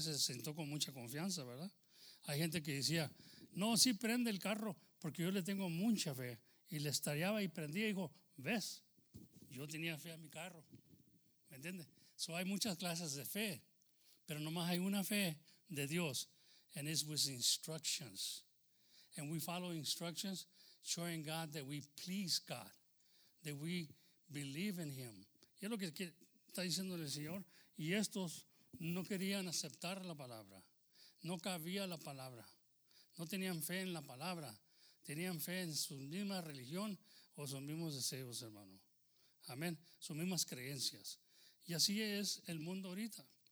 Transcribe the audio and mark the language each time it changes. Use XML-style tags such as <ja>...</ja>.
<es>Se sentó con mucha confianza, ¿verdad? Hay gente que decía, no, sí prende el carro porque yo le tengo mucha fe. Y le estallaba y prendía y dijo, ¿ves? Yo tenía fe a mi carro. ¿Me entiendes? So, hay muchas clases de fe, pero nomás hay una fe de Dios.</es> <en>And it's with instructions. And we follow instructions, showing God that we please God, that we believe in him.</en> <es>Y es lo que está diciendo el Señor. Y estos no querían aceptar la palabra. No cabía la palabra. No tenían fe en la palabra. Tenían fe en su misma religión o sus mismos deseos, hermano. Amén. Sus mismas creencias. Y así es el mundo ahorita.</es>